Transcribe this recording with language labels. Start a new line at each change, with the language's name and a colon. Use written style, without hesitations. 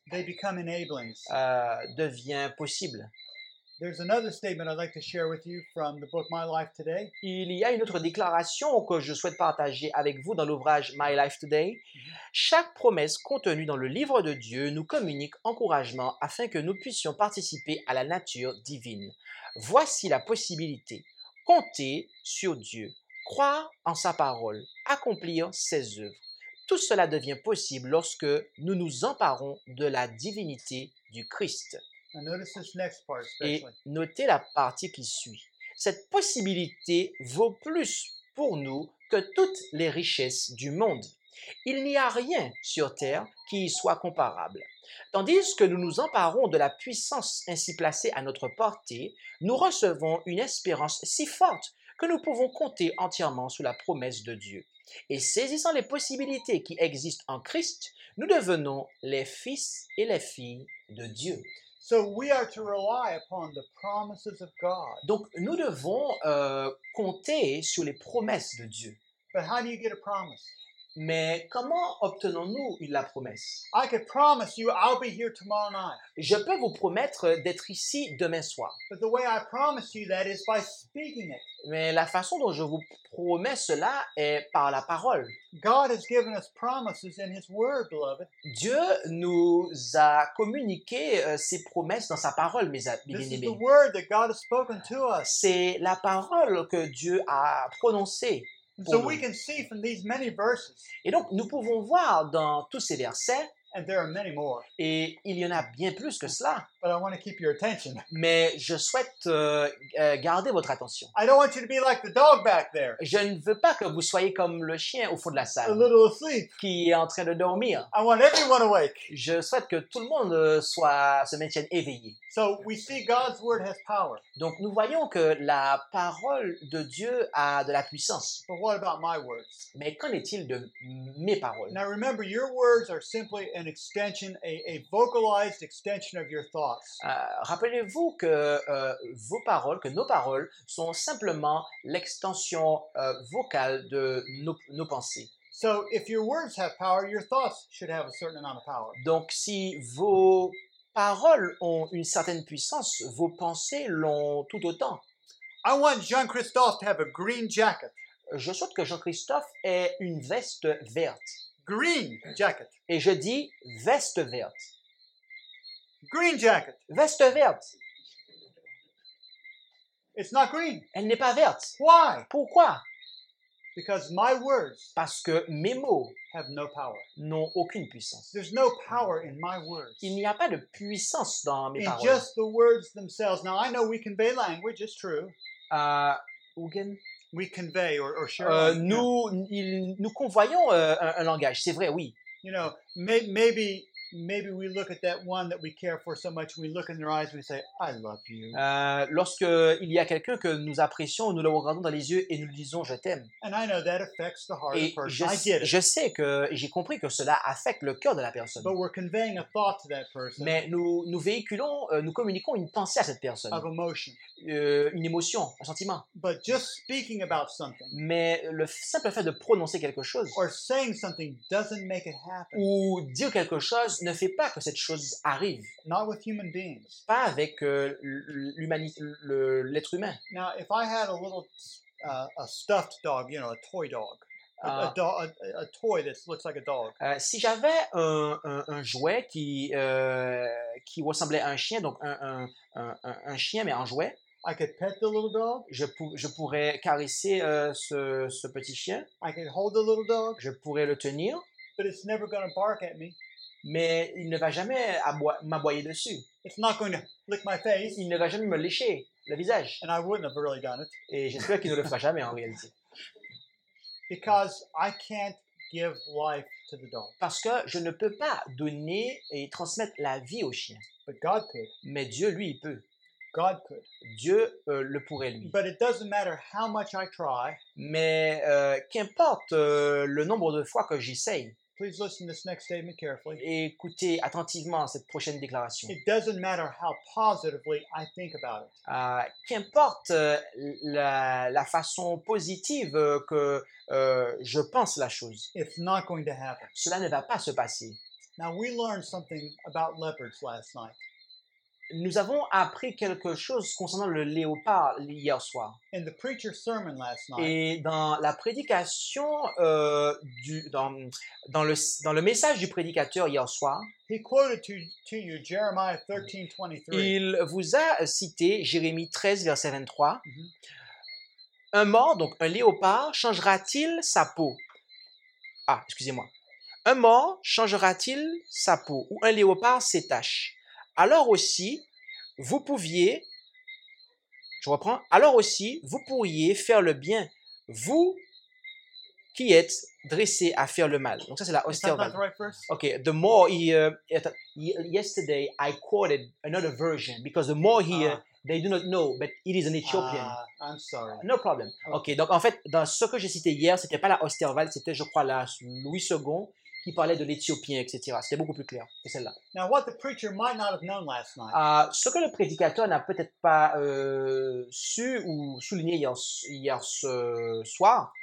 English: they become enablings.
French: Devient possible.
English: There's another statement I'd like to share with you from the book My Life Today.
French: Il y a une autre déclaration que je souhaite partager avec vous dans l'ouvrage My Life Today. Chaque promesse contenue dans le livre de Dieu nous communique encouragement afin que nous puissions participer à la nature divine. Voici la possibilité. Compter sur Dieu. Croire en sa parole. Accomplir ses œuvres. Tout cela devient possible lorsque nous nous emparons de la divinité du Christ.
English: And notice this next part especially.
French: Et notez la partie qui suit. Cette possibilité vaut plus pour nous que toutes les richesses du monde. Il n'y a rien sur terre qui y soit comparable. Tandis que nous nous emparons de la puissance ainsi placée à notre portée, nous recevons une espérance si forte que nous pouvons compter entièrement sous la promesse de Dieu. Et saisissant les possibilités qui existent en Christ, nous devenons les fils et les filles de Dieu.
English: So we are to rely upon the promises of God.
French: Donc nous devons compter sur les promesses de Dieu.
English: But how do you get a promise?
French: Mais comment obtenons-nous la promesse?
English: I can promise you I'll be here tomorrow night.
French: Je peux vous promettre d'être ici demain soir.
English: But the way I promise you that is by speaking it.
French: Mais la façon dont je vous promets cela est par la parole.
English: God has given us promises in his word, beloved.
French: Dieu nous a communiqué ses promesses dans sa parole, mes bien-aimés.
English: This is the word that God has spoken to us.
French: C'est la parole que Dieu a prononcée.
English: So we can see from these many verses.
French: Et donc nous pouvons voir dans tous ces versets.
English: And there are many more.
French: Et il y en a bien plus que cela.
English: But I want to keep your attention.
French: Mais je souhaite garder votre attention.
English: I don't want you to be like the dog back there.
French: Je ne veux pas que vous soyez comme le chien au fond de la salle.
English: A little asleep.
French: Qui est en train de dormir.
English: I want everyone awake.
French: Je souhaite que tout le monde se maintienne éveillé.
English: So we see God's word has power.
French: Donc nous voyons que la parole de Dieu a de la puissance.
English: But what about my words?
French: Mais qu'en est-il de mes paroles?
English: Now remember, your words are simply an extension, a vocalized extension of your thoughts.
French: Rappelez-vous que vos paroles, que nos paroles, sont simplement l'extension vocale de nos pensées.
English: So if your words have power, your thoughts should have a certain amount of power.
French: Donc si vos paroles ont une certaine puissance, vos pensées l'ont tout autant.
English: I want Jean-Christophe to have a green jacket.
French: Je souhaite que Jean-Christophe ait une veste verte.
English: Green jacket.
French: Et je dis veste verte.
English: Green jacket.
French: Veste verte.
English: It's not green.
French: Elle n'est pas verte.
English: Why?
French: Pourquoi?
English: Because my words.
French: Parce que mes mots.
English: Have no power.
French: N'ont aucune puissance.
English: There's no power in my words.
French: Il n'y a pas de puissance dans mes
English: in
French: paroles.
English: In just the words themselves. Now I know we convey language. It's true. Ougen. We convey or share.
French: Nous convoyons un langage. C'est vrai, oui.
English: You know, maybe we look at that one that we care for so much. We look in their eyes. We say, I love you.
French: Lorsque il y a quelqu'un que nous apprécions, nous le regardons dans les yeux et nous lui disons, je t'aime.
English: And I know that affects the heart
French: et
English: of the person.
French: J'ai compris que cela affecte le cœur de la personne.
English: But we're conveying a thought to that person.
French: Mais nous véhiculons, nous communiquons une pensée à cette personne.
English: Of emotion.
French: Une émotion, un sentiment.
English: But just speaking about something.
French: Mais le simple fait de prononcer quelque chose.
English: Or saying something doesn't make it happen.
French: Ou dire quelque chose. Ne fait pas que cette chose arrive.
English: Not with human beings.
French: Pas avec l'humanité, l'être humain.
English: Now, if I had a little a stuffed dog, you know, a toy dog, a toy that looks like a dog.
French: Si j'avais un jouet qui ressemblait à un chien, donc un chien mais en jouet.
English: I could pet the little dog.
French: Je pourrais caresser ce petit chien.
English: I could hold the little dog.
French: Je pourrais le tenir.
English: But it's never going to bark at me.
French: Mais il ne va jamais m'aboyer dessus.
English: It's not going to lick my face.
French: Il ne va jamais me lécher le visage.
English: And I wouldn't have really done it.
French: Et j'espère qu'il ne le fera jamais en réalité.
English: Because I can't give life to the dog.
French: Parce que je ne peux pas donner et transmettre la vie au chien.
English: But God could.
French: Mais Dieu, lui, il peut.
English: God could.
French: Dieu le pourrait, lui.
English: But it doesn't matter how much I try.
French: Mais qu'importe le nombre de fois que j'essaye.
English: Please listen to this next statement carefully.
French: Écoutez attentivement cette prochaine déclaration.
English: It doesn't matter how positively I think about it.
French: Qu'importe la façon positive que je pense la chose.
English: It's not going to happen.
French: Cela ne va pas se passer.
English: Now we learned something about leopards last night.
French: Nous avons appris quelque chose concernant le léopard hier soir.
English: In the preacher sermon last night,
French: et dans la prédication, dans le message du prédicateur hier soir,
English: he quoted to you Jeremiah 13, 23.
French: Il vous a cité Jérémie 13, verset 23. Mm-hmm. Un mort, donc un léopard, changera-t-il sa peau? Ah, excusez-moi. Un mort changera-t-il sa peau? Ou un léopard ses taches? Alors aussi, vous pouviez, je reprends, alors aussi, vous pourriez faire le bien, vous qui êtes dressé à faire le mal. Donc ça, c'est la austère.
English: Right, ok, the more he, yesterday, I quoted another version, because the more here, they do not know, but it is an Ethiopian. I'm sorry. No problem. Okay.
French: Ok, donc en fait, dans ce que j'ai cité hier, c'était pas la Osterwald, c'était, je crois, la Louis II, qui parlait de l'Éthiopien, etc. C'était beaucoup plus clair que celle-là.
English: Now, what the preacher might not have known last night,
French: ce que le prédicateur n'a peut-être pas su ou souligné hier ce soir,